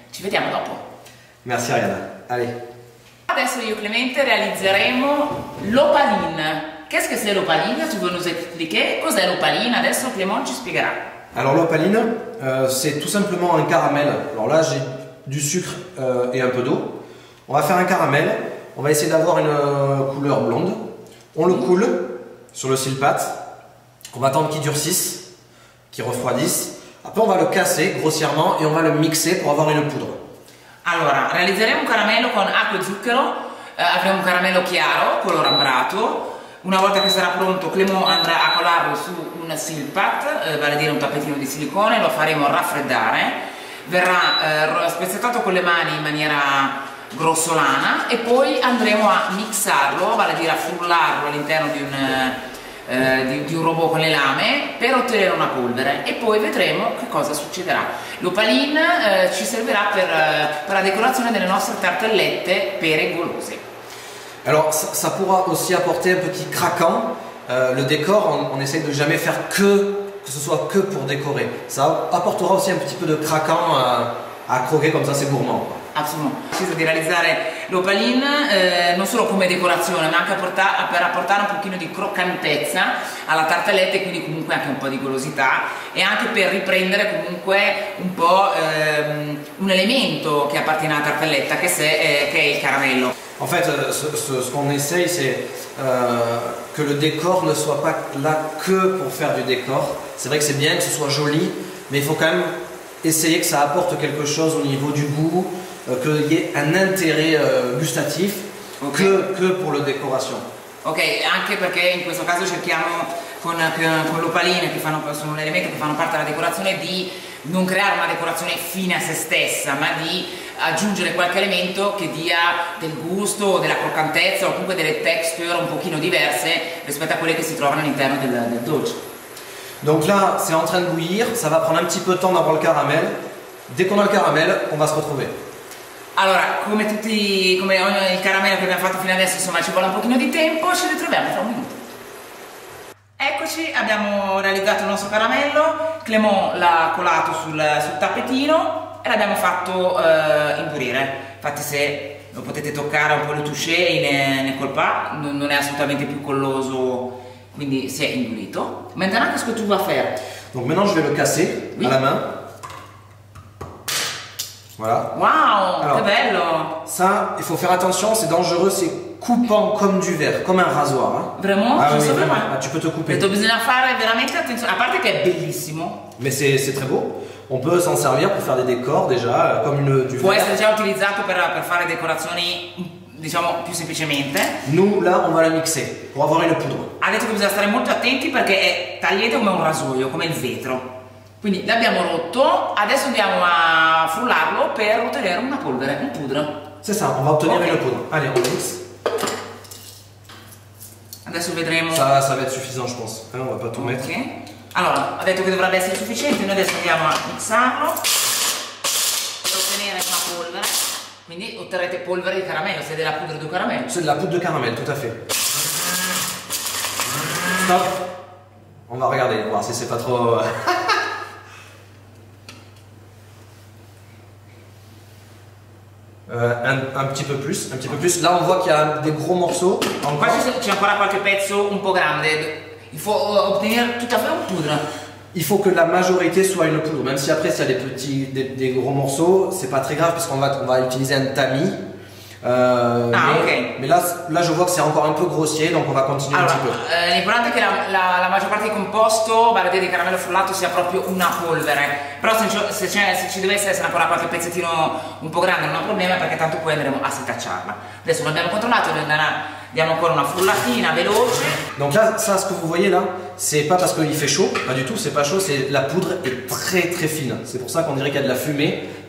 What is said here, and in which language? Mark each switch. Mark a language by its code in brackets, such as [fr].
[it] Ci vediamo dopo. Grazie Ariana. Allì. Adesso io e Clemente realizzeremo l'opalin. Che è l'opalin? Ci vuoi [fr] nous expliquer? [it] Cos'è l'opalin? Adesso Clemente ci spiegherà. Allora [fr] l'opalin, c'est tout simplement un caramel. Alors là j'ai du sucre et un peu d'eau. On va faire un caramel. On va essayer d'avoir une couleur blonde. On le coule sur le silpat. On va attendre qu'il durcisse, qu'il refroidisse. Après, on va le casser grossièrement et on va le mixer pour avoir une poudre. [it] Allora, realizzeremo un caramello con acqua e zucchero. Avremo un caramello chiaro, color ambrato. Una volta che sarà pronto, Clément andrà a colarlo su un silpat, vale a dire un tappetino di silicone. Lo faremo raffreddare. Verrà spezzettato con le mani in maniera grossolana e poi andremo a mixarlo, vale a dire a frullarlo all'interno di un robot con le lame per ottenere una polvere e poi vedremo che cosa succederà. L'opalin ci servirà per la decorazione delle nostre tartellette pere golose. [fr] Alors ça pourra aussi apporter un petit craquant le décor, on essaie de jamais faire que ce soit que pour décorer. Ça apportera aussi un petit peu de craquant a croquer comme ça c'est gourmand. [it] Assolutamente, ho deciso di realizzare l'opalin non solo come decorazione ma anche per apportare un pochino di croccantezza alla tartelletta e quindi comunque anche un po' di golosità e anche per riprendere comunque un po' un elemento che appartiene alla tartelletta che è il caramello. [fr] En fait, ce qu'on essaye c'est que le décor ne soit pas là que pour faire du décor. C'est vrai que c'est bien que ce soit joli, mais il faut quand même essayer que ça apporte quelque chose au niveau du goût. Qu'il y ait un intérêt gustatif okay. Que pour la décoration. [it] Ok, anche perché in questo caso cerchiamo con l'opaline che fanno, sono un elemento che fanno parte della decorazione di non creare una decorazione fine a se stessa ma di aggiungere qualche elemento che dia del gusto o della croccantezza o comunque delle texture un pochino diverse rispetto a quelle che si trovano all'interno del dolce. [fr] Donc là, c'est en train de bouillir, ça va prendre un petit peu de temps d'avoir le caramel. Dès qu'on a le caramel, on va se retrouver. [it] Allora, come il caramello che abbiamo fatto fino adesso, insomma, ci vuole un pochino di tempo, ci ritroviamo tra un minuto. Eccoci, abbiamo realizzato il nostro caramello, Clément l'ha colato sul tappetino e l'abbiamo fatto indurire. Infatti se lo potete toccare un po' le touché ne colpa, non è assolutamente più colloso, quindi si è indurito. [fr] Maintenant, qu'est-ce que tu vas faire? Donc maintenant je vais le casser oui. À la main. Voilà. Waouh, c'est bello. Ça, il faut faire attention, c'est dangereux, c'est coupant comme du verre, comme un rasoir. Hein. Vraiment? Ah, oui, vraiment. Ah, tu peux te couper. Mais tu dois faire vraiment attention, à part que c'est bellissimo. Mais c'est très beau. On peut s'en servir pour faire des décors déjà, comme du verre. [it] Può essere già utilizzato per fare decorazioni, diciamo, più semplicemente. [fr] Nous, là, on va la mixer pour avoir une poudre. [it] Ha detto che bisogna stare molto attenti perché è tagliente come un rasoio, come il vetro. Quindi l'abbiamo rotto, adesso andiamo a frullarlo per ottenere una polvere, una pudra. [fr] C'est ça, on va [it] ottenere [fr] okay. [it] Una pudra. [fr] Allez, on mix. [it] Adesso vedremo. [fr] Ça va être suffisant, je pense. On va pas tout mettre. Okay. [it] Allora, ha detto che dovrebbe essere sufficiente, noi adesso andiamo a mixarlo per ottenere una polvere. Quindi otterrete polvere di caramello, se è della pudra di caramello. [fr] C'est de la poudre de caramel, tout à fait. Stop. On va regarder, voir si c'est pas trop... un petit peu plus, un petit peu plus. Là, on voit qu'il y a des gros morceaux. Encore. [it] Qua c'è ancora qualche pezzo un po' grande. [fr] Il faut obtenir tout à fait une poudre. Il faut que la majorité soit une poudre. Même si après, s'il y a des gros morceaux, c'est pas très grave parce qu'on va utiliser un tamis. Ok. Mais là, je vois que c'est encore un peu grossier, donc on va continuer [it] allora, [fr] un petit peu. [it] L'importante è che la maggior parte di composto, vale a dire di caramello frullato, sia proprio una polvere. Però se ci dovesse essere ancora qualche pezzettino un po' grande, non è un problema, perché tanto poi andremo a setacciarla. Adesso l'abbiamo controllato, diamo ancora una frullatina veloce. [fr] Donc là, ça, ce que vous voyez là, c'est pas parce qu'il fait chaud, pas du tout, c'est pas chaud, c'est la poudre est très très fine. C'est pour ça qu'on dirait qu'il y a de la fumée.